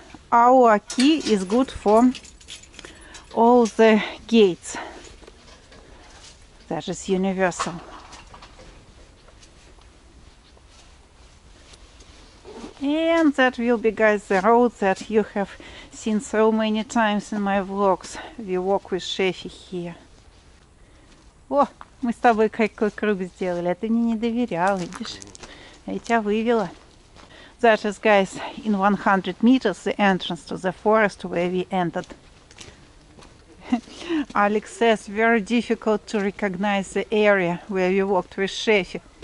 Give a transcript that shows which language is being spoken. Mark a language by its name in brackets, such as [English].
[English] Our key is good for all the gates. That is universal. And that will be, guys, the road that you have seen so many times in my vlogs. We walk with Шефи here. [Russian] О, мы с тобой какой круг сделали. А ты мне не доверял, видишь? Я тебя вывела. [English] That is, guys, in 100 meters, the entrance to the forest where we entered. Alex says, very difficult to recognize the area where we walked with Шефи.